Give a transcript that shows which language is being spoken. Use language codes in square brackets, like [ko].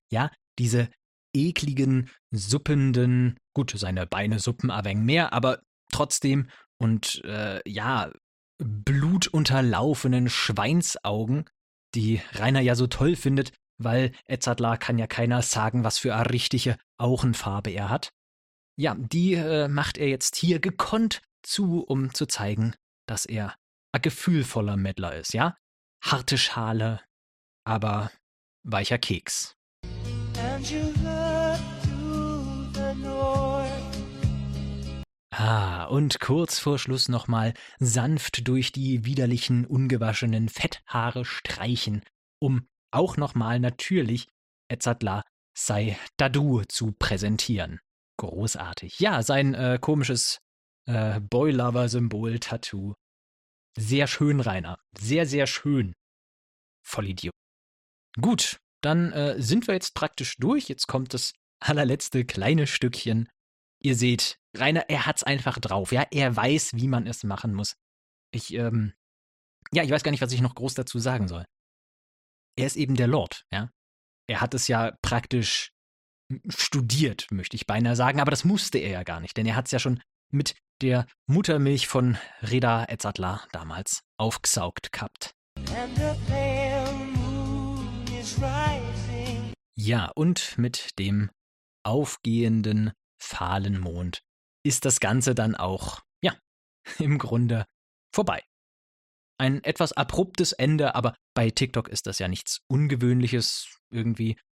[de] Ja, diese ekligen, suppenden, gut, seine Beine suppen ein wenig mehr, aber trotzdem, und blutunterlaufenen Schweinsaugen, die Rainer ja so toll findet, weil Edzardler kann ja keiner sagen, was für eine richtige Augenfarbe er hat. Ja, die macht er jetzt hier gekonnt zu, um zu zeigen, dass er ein gefühlvoller Mettler ist, ja? Harte Schale, aber weicher Keks. [en] And you look to the north. [de] Ah, und kurz vor Schluss nochmal sanft durch die widerlichen, ungewaschenen Fetthaare streichen, um auch nochmal natürlich Etzadla sei Dadu zu präsentieren. Großartig. Ja, sein komisches Boy-Lover-Symbol-Tattoo. Sehr schön, Rainer. Sehr, sehr schön. Vollidiot. Gut, dann sind wir jetzt praktisch durch. Jetzt kommt das allerletzte kleine Stückchen. Ihr seht, Rainer, er hat's einfach drauf. Ja, er weiß, wie man es machen muss. Ich weiß gar nicht, was ich noch groß dazu sagen soll. Er ist eben der Lord, ja. Er hat es ja praktisch studiert, möchte ich beinahe sagen, aber das musste er ja gar nicht, denn er hat es ja schon mit der Muttermilch von Reda Etzadla damals aufgesaugt gehabt. [en] And the pale moon is rising. [de] Ja, und mit dem aufgehenden, fahlen Mond ist das Ganze dann auch, ja, im Grunde vorbei. Ein etwas abruptes Ende, aber bei TikTok ist das ja nichts Ungewöhnliches irgendwie.